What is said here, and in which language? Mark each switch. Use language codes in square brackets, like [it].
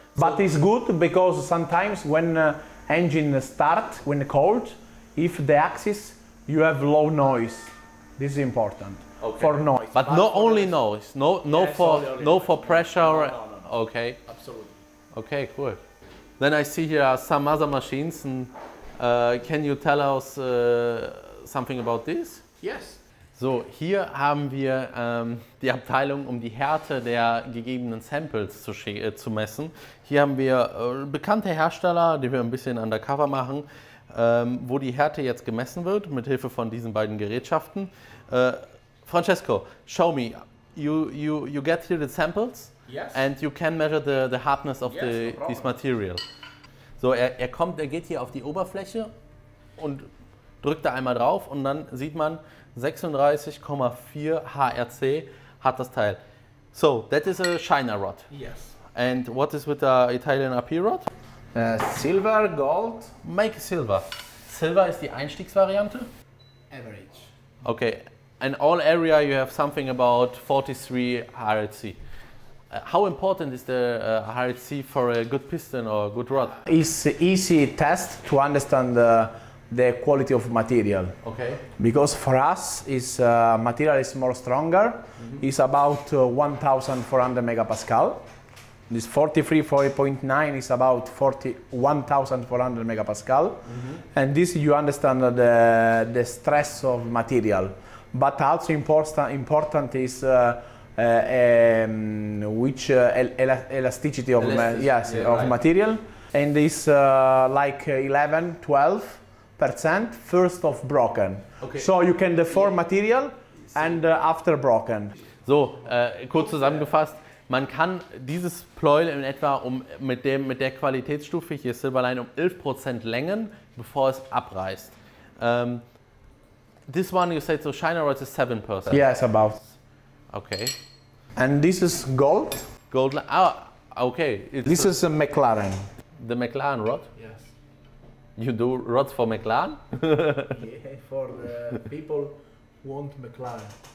[en] But so it's good because sometimes when engine start when cold, if the axis you have low noise, this is important okay. for noise. But not only noise, for pressure. No, no, no. Okay. Absolutely. Okay, cool. Then I see here are some other machines. And, can you tell us something about this? Yes. [de] So hier haben wir die Abteilung, um die Härte der gegebenen Samples zu messen. Hier haben wir bekannte Hersteller, die wir ein bisschen undercover machen, wo die Härte jetzt gemessen wird, mit Hilfe von diesen beiden Gerätschaften. [en] Francesco, show me. You get here the samples? Yes. And you can measure the hardness of this material. [de] So er geht hier auf die Oberfläche und drückt da einmal drauf und dann sieht man 36,4 HRC hat das Teil. [en] So that is a China rod. Yes. And what is with the Italian RP rod? Silver, gold. Make silver. [de] Silver ist die Einstiegsvariante. [en] Average. Okay. In all area you have something about 43 HRC. How important is the HRC for a good piston or a good rod? It's an easy test to understand the quality of material. Okay. Because for us, is material is more stronger. Mm-hmm. It's about 1,400 megapascal. This 43.9 is about 1,400 megapascal. Mm-hmm. And this you understand the stress of material. But also important is which elasticity of material, and it's like 11-12% first of broken. Okay. So you can deform material and after broken. [de] So kurz zusammengefasst, man kann dieses Pleuel in etwa mit der Qualitätsstufe hier Silverline 11% längen, bevor es abreißt. [en] This one you said so China rod is 7%. Yes, about. Okay. And this is gold. Gold. Ah, okay. This is a McLaren. The McLaren rod. Yes. You do rods for McLaren. Yeah, for the people who want McLaren.